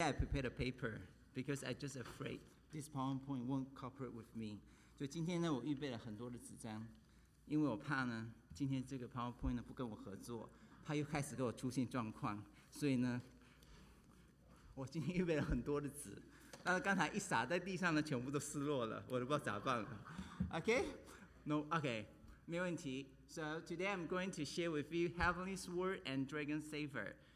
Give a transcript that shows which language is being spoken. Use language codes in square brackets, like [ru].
[en] I prepared a paper because I just afraid this PowerPoint won't cooperate with me. [zh] 所以今天呢，我预备了很多的纸张。因为我怕呢，今天这个PowerPoint呢不跟我合作，他又开始给我出现状况，所以呢，我今天预备了很多的纸，但是刚才一撒在地上呢，全部都失落了，我都不知道咋办了。OK，No，OK，没问题。 [en] So today I'm going to share with you Heavenly's Word and Dragon Saver.